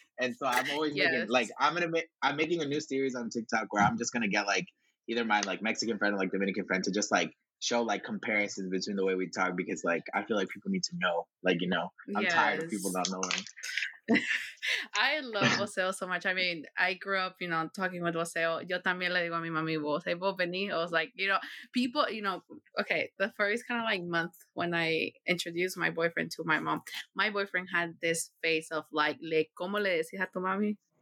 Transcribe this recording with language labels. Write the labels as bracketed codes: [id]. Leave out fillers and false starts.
[en] And so I'm always I'm making a new series on TikTok where I'm just gonna get like either my like Mexican friend or like Dominican friend to just like show like comparisons between the way we talk, because like I feel like people need to know, like, you know, I'm tired of people not knowing. I love Voseo so much. I mean, I grew up, you know, talking with Voseo. [es] Yo también le digo a mi mami, Voseo, vení. [en] I was like, you know, people, you know, okay, the first kind of like month when I introduced my boyfriend to my boyfriend had this face of like, [es] le, ¿cómo le decís a tu mami?